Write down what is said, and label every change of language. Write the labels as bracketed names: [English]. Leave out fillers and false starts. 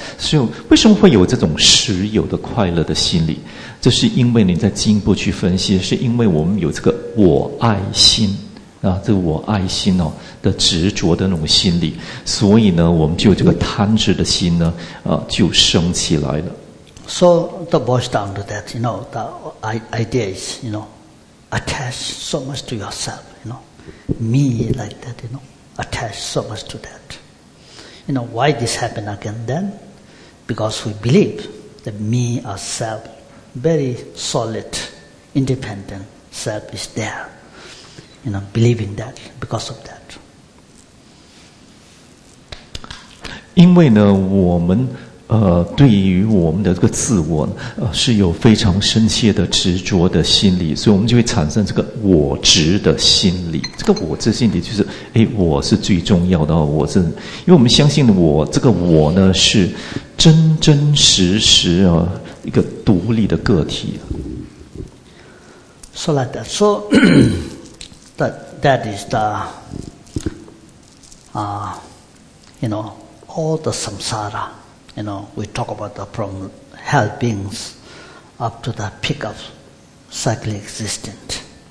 [Chinese] 所以为什么会有这种实有的快乐的心理？这是因为你在进一步去分析，是因为我们有这个我爱心啊，这个我爱心哦的执着的那种心理，所以呢，我们就这个贪执的心呢，就升起来了。 [English] So the boils down to that, you know, the idea is, you know, attach so much to yourself, you know, me like that, you know, attach so much to that. You know, why this happen again then? Because we believe that me, ourself, very solid, independent self is there. You know, believing that because of that. [Chinese] 因为呢，我们对于我们的这个自我是有非常深切的执着的心理，所以我们就会产生这个我执的心理。这个我执心理就是，我是最重要的，我是，因为我们相信我这个我呢是真真实实啊一个独立的个体。 [English] So like that. So. That is the, you know, all the samsara, you know, we talk about the from hell beings up to the peak of cyclic existence.